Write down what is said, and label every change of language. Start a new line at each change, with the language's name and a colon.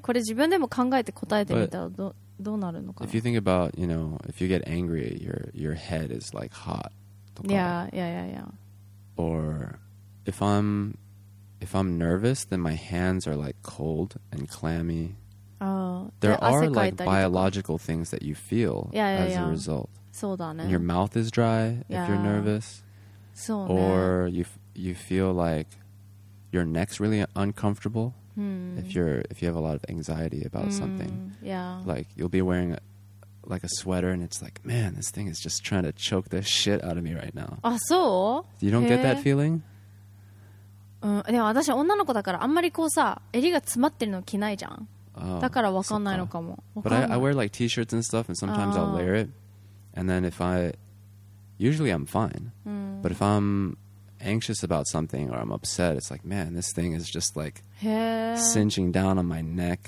Japanese: これ自分でも考えて答えてみたらどうなるのかな。
English: If you think about, you know, if you get angry, your head is like hot とか。 Yeah. Or if I'm nervous, then my hands are like cold and clammy. There are like biological things that you feel as a result.
Japanese: そうだね。
English: Your mouth is dry if you're nervous.
Japanese: そうね。
English: Or you feel like your neck's really uncomfortable if you have a lot of anxiety about something. Yeah. Like you'll be wearing a sweater and it's like, man, this thing is just trying to choke the shit out of me right now.
Japanese: あ、そう?
English: You don't get that feeling?
Japanese: でも私女の子だからあんまりこうさ、襟が詰まってるの着ないじゃん。だから分かんないのかも。
English: But I wear like t-shirts and stuff, and sometimes I'll layer it. And then if I usually I'm fine. But if I'm anxious about something or I'm upset, it's like, man, this thing is just like cinching down on my neck.